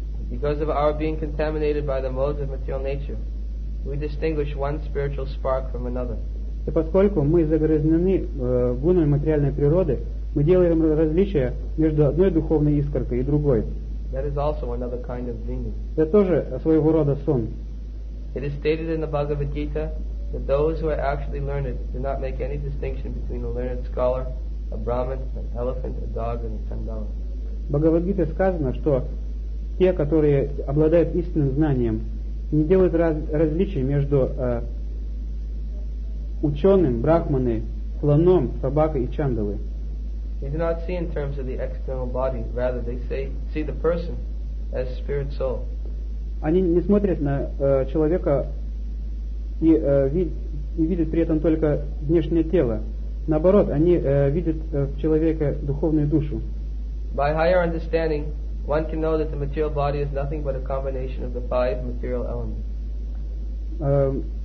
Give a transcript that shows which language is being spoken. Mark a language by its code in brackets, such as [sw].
[en] Because of our being contaminated by the modes of material nature, we distinguish one spiritual spark from another. [ru] И поскольку мы загрязнены гунами материальной природы, мы делаем различия между одной духовной искоркой и другой. [en] That is also another kind of dreaming. [ru] Это тоже своего рода сон. [en] It is stated in the Bhagavad Gita that those who are actually learned do not make any distinction between a learned scholar, a Brahmin, an elephant, a dog, and a chandala. [ru] В Бхагавад Гите сказано, что те, которые обладают истинным знанием, не делают различий между ученым, брахманой, слоном, собакой и чандалой. [en] They do not see in terms of the external body, rather they see the person as spirit soul. [ru] Они не смотрят на человека и видят при этом только внешнее тело. Наоборот, они видят в человеке духовную душу. [en] By higher understanding, One can know that the material body is nothing but a combination of the five material elements.